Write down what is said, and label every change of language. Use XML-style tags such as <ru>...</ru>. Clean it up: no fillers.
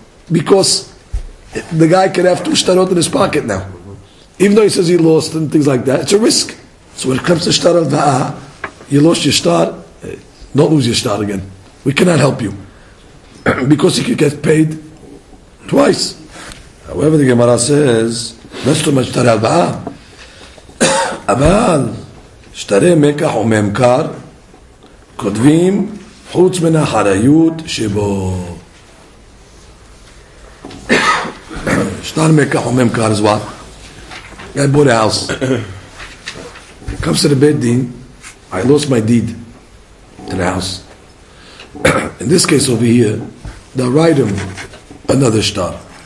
<en>Because the guy could have two shtarot in his pocket now. Even though he says he lost and things like that, it's a risk. So when it comes to shtar al da'a, you lost your shtar, don't lose your shtar again. We cannot help you. Because you could get paid twice. However, the Gemara says,</en> <he>לא סתום על שטרי הלוואה, אבל שטרי מקח וממכר כותבים חוץ מן האחריות שבו. שטר מקח וממכר זו</he> <en>I bought a house. Comes to the bed din, I lost my deed to the house. In this case over here, they write him another star.</en>